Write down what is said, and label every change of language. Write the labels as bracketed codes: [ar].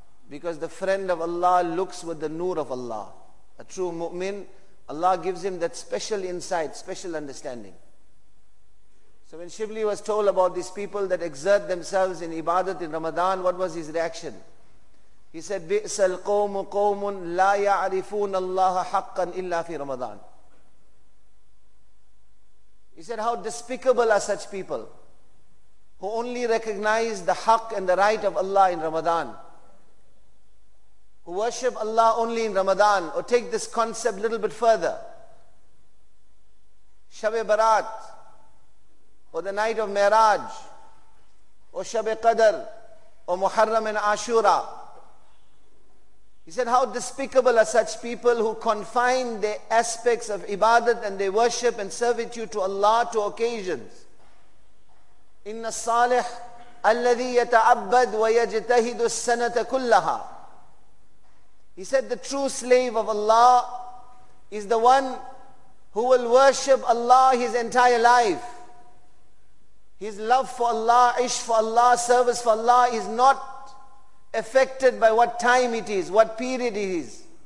[en] Because the friend of Allah looks with the nur of Allah. A true mu'min, Allah gives him that special insight, special understanding. So when Shibli was told about these people that exert themselves in ibadat in Ramadan, what was his reaction? He said, [ar] بِئْسَ الْقَوْمُ قَوْمٌ لَا يَعْرِفُونَ اللَّهَ حَقًّا إِلَّا فِي رَمَضَانٍ. [en] He said, how despicable are such people who only recognize the haq and the right of Allah in Ramadan, who worship Allah only in Ramadan, or take this concept a little bit further. Shab-e Barat, or the night of Miraj, or Shab-e Qadr, or Muharram and Ashura. He said, how despicable are such people who confine their aspects of ibadat and their worship and servitude to Allah to occasions. [ar] Inna salih الذي يتعبد ويجتهد السنة كلها. [en] He said, the true slave of Allah is the one who will worship Allah his entire life. His love for Allah, ish for Allah, service for Allah is not affected by what time it is, what period it is.